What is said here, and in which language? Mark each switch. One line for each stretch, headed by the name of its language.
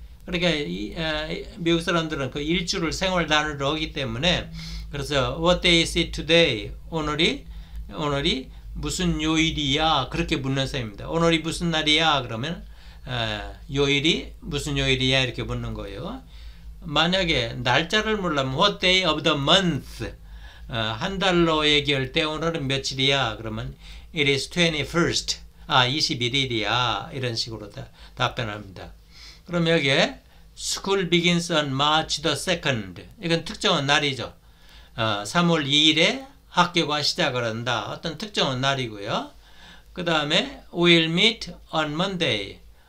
Korean: 그러니까 미국 사람들은 그 일주를 생활 단위로 하기 때문에, 그래서
English: What day is it today?
Korean: 오늘이 무슨 요일이야? 그렇게 묻는 셈입니다. 오늘이 무슨 날이야? 그러면 요일이 무슨 요일이야? 이렇게 묻는 거예요. 만약에 날짜를 물으면
English: What day of the month?
Korean: 한 달로 얘기할 때 오늘은 며칠이야? 그러면
English: It is 21st.
Korean: 21일이야. 이런 식으로 답변합니다. 그럼 여기에
English: School begins on March the 2nd.
Korean: 이건 특정한 날이죠. 3월 2일에 학교가 시작을 한다. 어떤 특정한 날이고요. 그 다음에
English: We'll meet on Monday.